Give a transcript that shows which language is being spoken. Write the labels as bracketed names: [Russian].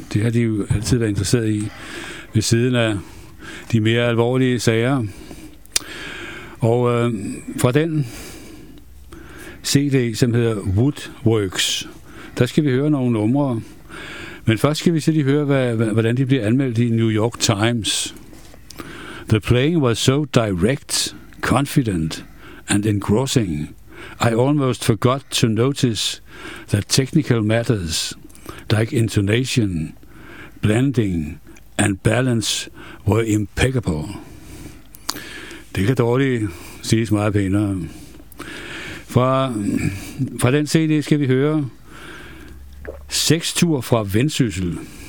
[Danish] Det har de jo altid været interesseret i ved siden af de mere alvorlige sager. Og fra den CD, som hedder Woodworks, der skal vi høre nogle numre. Men først skal vi se lige høre, hvordan de bliver anmeldt i New York Times. [English] The playing was so direct, confident and engrossing. I almost forgot to notice that technical matters like intonation, blending and balance were impeccable. [Danish] Det kan dårligt siges meget pænere. Fra den CD skal vi høre Seks tur fra Vendsyssel.